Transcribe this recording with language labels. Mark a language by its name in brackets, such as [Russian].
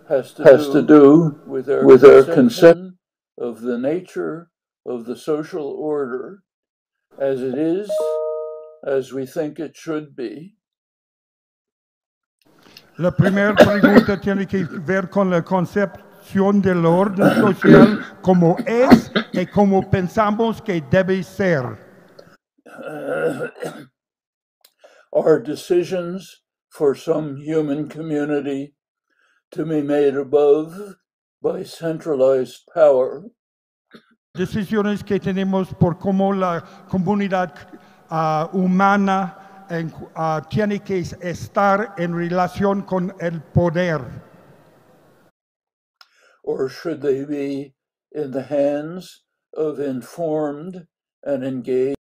[English] has to do with our conception of the nature of the social order as it is, as we think it should be. [Spanish] La primera pregunta tiene que ver con la concepción del orden social como es y como pensamos que debe ser. [English] Our decisions for some human community to be made above by centralized power. [Spanish] Decisiones que tenemos por cómo la comunidad humana tiene que estar en relación con el poder. [English] Or should they be in the hands of informed and engaged?